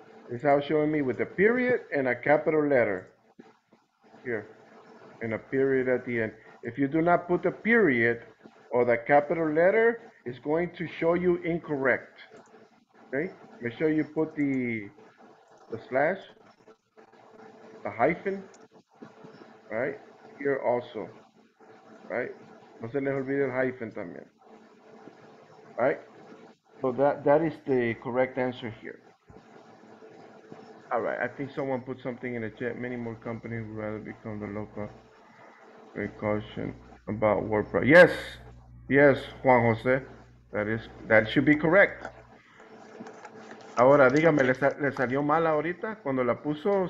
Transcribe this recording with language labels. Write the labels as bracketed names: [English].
[English] It's how it's showing me with a period and a capital letter here and a period at the end. If you do not put a period or the capital letter, it's going to show you incorrect. Okay. Make sure you put the slash, the hyphen, right? Here also, right? [Spanish] No se les olvide el hyphen también, right? [English] So that is the correct answer here. All right, I think someone put something in the chat. Many more companies would rather become the local precaution about WordPress. Yes, yes, Juan Jose, that should be correct. [Spanish] Ahora, dígame, ¿le salió mal ahorita cuando la puso?